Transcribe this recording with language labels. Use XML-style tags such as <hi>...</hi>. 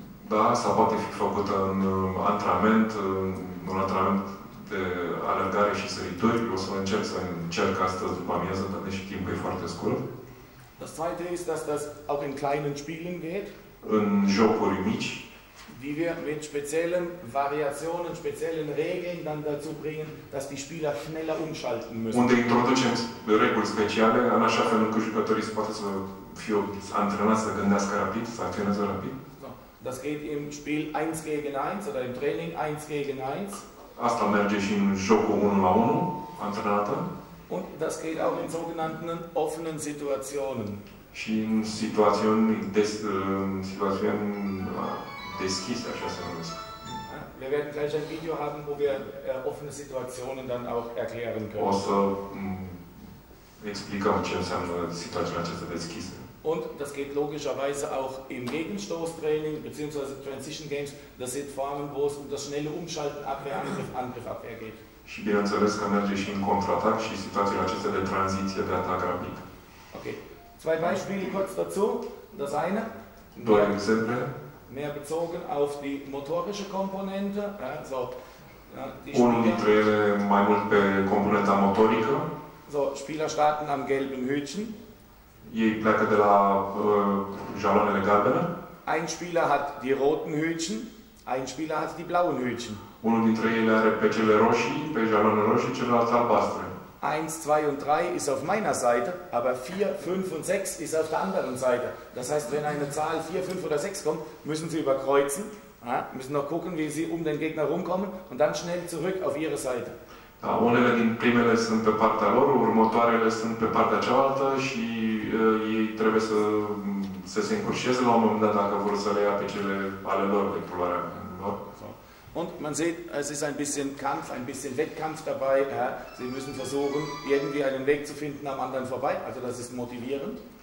<ro>Da, asta poate fi făcut în antrenament, un antrenament de alergare și sărituri. O să încerc astăzi după amiază, dar deși timpul e foarte scurt.</ro> <de>Das zweite ist, dass das auch in kleinen Spielen geht.</de> <ro>În jocuri mici.</ro> <de>Die wir mit speziellen Variationen, speziellen Regeln dann dazu bringen, dass die Spieler schneller umschalten müssen.</de> <ro>Unde introducem reguli speciale, în așa fel încât jucătorii poate să fie antrenați să gândească rapid, să acționeze rapid.</ro> <de>Das geht im Spiel 1 gegen 1 oder im Training 1 gegen 1.</de> <ro>Asta merge și în jocul 1 la 1, antrenată.</ro> <de>Und das geht auch in sogenannten offenen Situationen.</de> <ro>Și în situații deschise, așa se numesc.</ro> <de>Wir werden gleich ein Video haben, wo wir offene Situationen dann auch erklären können.</de> <ro>O să explicăm ce înseamnă situațiile acestea deschise.</ro> <de>Und das geht logischerweise auch im Gegenstoßtraining bzw. Transition Games. Das sind Formen, wo es um das schnelle Umschalten, Abwehr, Angriff, Angriff, Abwehr geht.</de> <ro>Și bineînțeles că merge și în contraatac și situațiile acestea de tranziție, de atac rapid. Okay.</ro> <de>Zwei Beispiele kurz dazu. Das eine.</de> <ro>Doi exemple.</ro> <de>Mehr bezogen auf die motorische Komponente. Also,</de> <ro>unul dintre ele mai mult pe componenta motorică.</ro> <de>So, Spieler starten am gelben Hütchen.</de> <ro>Ei pleacă de la jaloanele galbene.</ro> <de>Ein Spieler hat die roten Hütchen, ein Spieler hat die blauen Hütchen.</de> <ro>Unul dintre ei are pe cele roșii, pe jaloane roșii, celelalte albastre.</ro> <de>1, 2 und 3 ist auf meiner Seite, aber 4, 5 und 6 ist auf der anderen Seite. Das heißt, wenn eine Zahl 4, 5 oder 6 kommt, müssen sie überkreuzen. Ja, müssen noch gucken, wie sie um den Gegner rumkommen und dann schnell zurück auf ihre Seite.</de> <ro>Da, unele din primele sunt pe partea lor, următoarele sunt pe partea cealaltă și ei trebuie să se încurcieze la un moment dat dacă vor să le ia pe cele ale lor de culoarea lor.</ro> <de>Und man sieht, es ist ein bisschen Kampf, ein bisschen Wettkampf dabei. Ja, sie müssen versuchen, irgendwie einen Weg zu finden am anderen vorbei. Also das ist motivierend.</de>